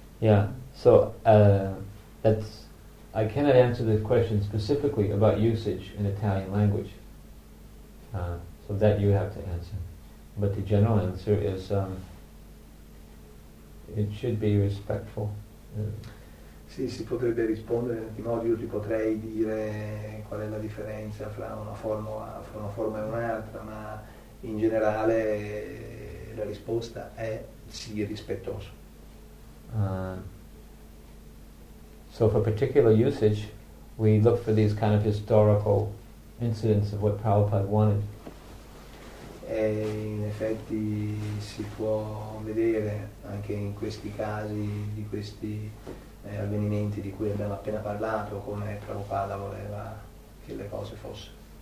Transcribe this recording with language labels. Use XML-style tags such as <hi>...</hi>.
<en>Yeah, so I cannot answer the question specifically about usage in Italian language. So that you have to answer. But the general answer is it should be respectful.</en> <it>Sì, si potrebbe rispondere di modo, io ti potrei dire qual è la differenza fra una forma e un'altra, ma in generale la risposta è sì, rispettoso.</it> <en>So for particular usage we look for these kind of historical incidents of what Prabhupada wanted.</en> <it>E in effetti si può vedere anche in questi casi di questi avvenimenti di cui abbiamo appena parlato come Prabhupada voleva che le cose fossero.</it>